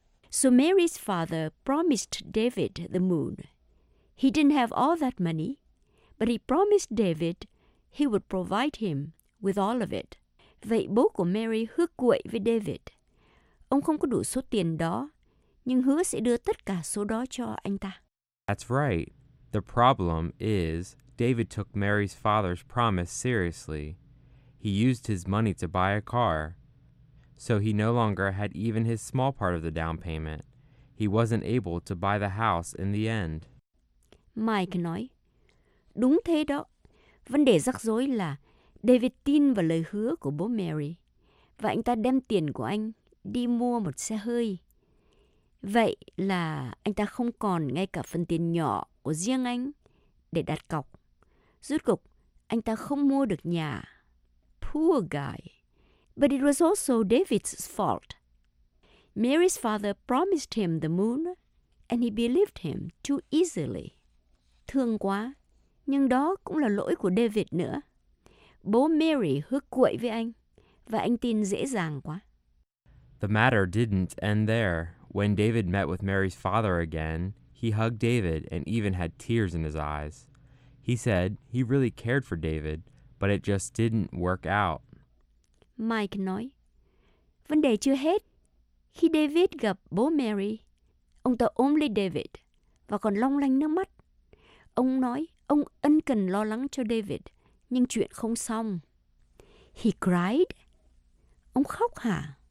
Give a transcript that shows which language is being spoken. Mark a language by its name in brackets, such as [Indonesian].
[English] So Mary's father promised David the moon. He didn't have all that money, but he promised David he would provide him with all of it. [Vietnamese] Vậy bố của Mary hứa cuội với David. Ông không có đủ số tiền đó, nhưng hứa sẽ đưa tất cả số đó cho anh ta. [English] That's right. The problem is David took Mary's father's promise seriously. He used his money to buy a car. So he no longer had even his small part of the down payment. He wasn't able to buy the house in the end. [Vietnamese] Mike nói, đúng thế đó. Vấn đề rắc rối là David tin vào lời hứa của bố Mary và anh ta đem tiền của anh đi mua một xe hơi. Vậy là anh ta không còn ngay cả phần tiền nhỏ của riêng anh để đặt cọc. Rốt cục, anh ta không mua được nhà. [English] Poor guy. But it was also David's fault. Mary's father promised him the moon, and he believed him too easily. [Vietnamese] Thương quá, nhưng đó cũng là lỗi của David nữa. Bố Mary hứa quậy với anh, và anh tin dễ dàng quá. [English] The matter didn't end there. When David met with Mary's father again, he hugged David and even had tears in his eyes. He said he really cared for David, but it just didn't work out. [Vietnamese] Mike nói, vấn đề chưa hết. Khi David gặp bố Mary, ông ta ôm lấy David và còn long lanh nước mắt. Ông nói ông ân cần lo lắng cho David, nhưng chuyện không xong. [English] He cried. [Vietnamese] Ông khóc hả?